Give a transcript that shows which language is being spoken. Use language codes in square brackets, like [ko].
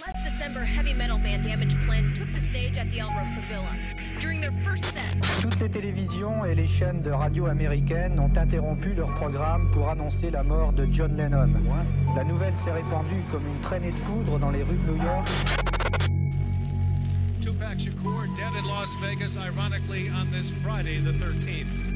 [en] December heavy metal band Damage Plan took the stage at the El Rosa Villa. During their first set, [fr] toutes les télévisions et les chaînes de radio américaines ont interrompu leur programme pour annoncer la mort de John Lennon. La nouvelle s'est répandue comme une traînée de poudre dans les rues de New York. [en] Tupac Shakur dead in Las Vegas, ironically, on this Friday the 13th.